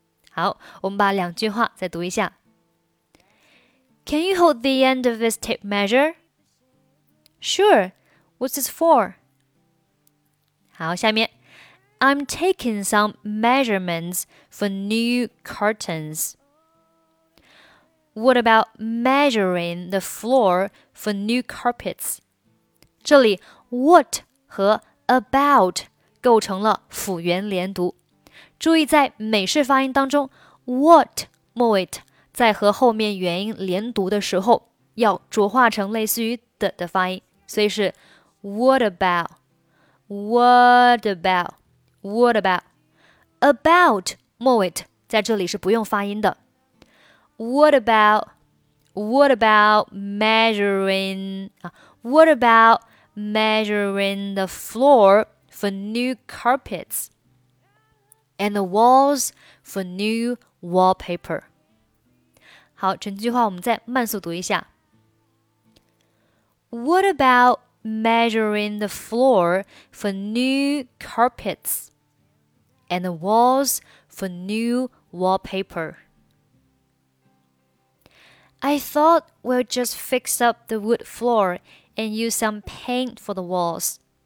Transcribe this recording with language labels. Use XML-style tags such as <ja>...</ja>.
<zh>好，我们把两句话再读一下。</zh> <en>Can you hold the end of this tape measure? Sure, what's this for?</en> <zh>好，下面</zh> <en>I'm taking some measurements for new curtains. What about measuring the floor for new carpets?</en> <zh>这里 what 和 about 构成了辅元连读，注意在美式发音当中 what 末尾在和后面元音连读的时候要浊化成类似于的的发音，所以是 what about, what about, what about, about 末尾在这里是不用发音的。</zh> <en>What about, what about measuring, what about measuring the floor for new carpets and the walls for new wallpaper?</en> <zh>好，整句话我们再慢速读一下。</zh> <en>What about measuring the floor for new carpets and the walls for new wallpaper? I thought we'll just fix up the wood floor and use some paint for the walls.</en>